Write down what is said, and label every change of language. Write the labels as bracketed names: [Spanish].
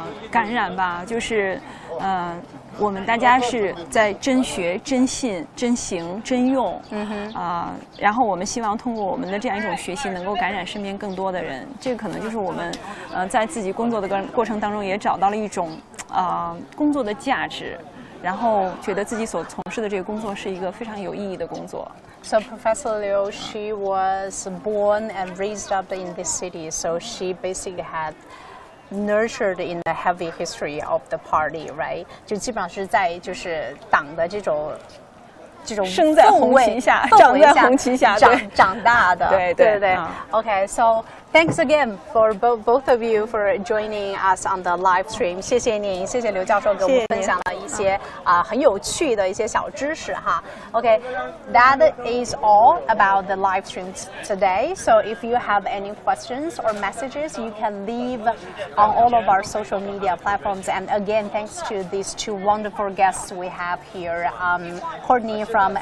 [Chinese] 感染吧，就是，我们大家是在真学、真信、真行、真用，然后我们希望通过我们的这样一种学习，能够感染身边更多的人。这个可能就是我们，在自己工作的过程当中，也找到了一种，工作的价值，然后觉得自己所从事的这个工作是一个非常有意义的工作。 [English] So Professor Liu, she was born and raised up in this city, so she basically had. Nurtured in the heavy history of the party, right? [Chinese] 就基本上是在就是党的这种生在红旗下，长在红旗下，长大的，对、 [English] Okay, so thanks again for both of you for joining us on the live stream. [Chinese] 谢谢您，谢谢刘教授给我们分享了一些很有趣的一些小知识哈。 [English] Okay, that is all about the live streams today. So if you have any questions or messages, you can leave on all of our social media platforms. And again, thanks to these two wonderful guests we have here, Courtney.